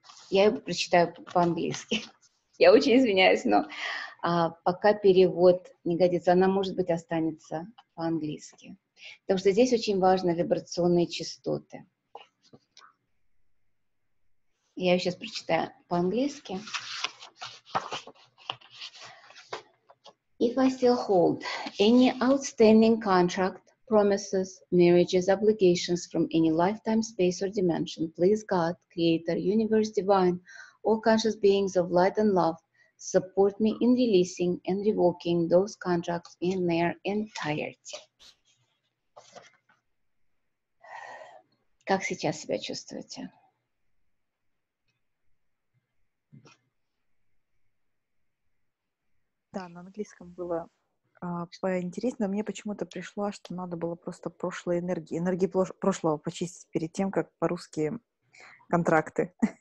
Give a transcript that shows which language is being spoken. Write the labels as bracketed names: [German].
[Russian] Я его прочитаю по-английски. Я очень извиняюсь, но пока перевод не годится, она, может быть, останется по-английски. Потому что здесь очень важны вибрационные частоты. Я ее сейчас прочитаю по-английски. [English] If I still hold any outstanding contract, promises, marriages, obligations from any lifetime, space or dimension, please God, Creator, Universe, Divine, all conscious beings of light and love, support me in releasing and revoking those contracts in their entirety. [Russian] Как сейчас себя чувствуете? Да, на английском было поинтересно. Мне почему-то пришло, что надо было просто прошлой энергии, энергии прошлого почистить перед тем, как по-русски контракты.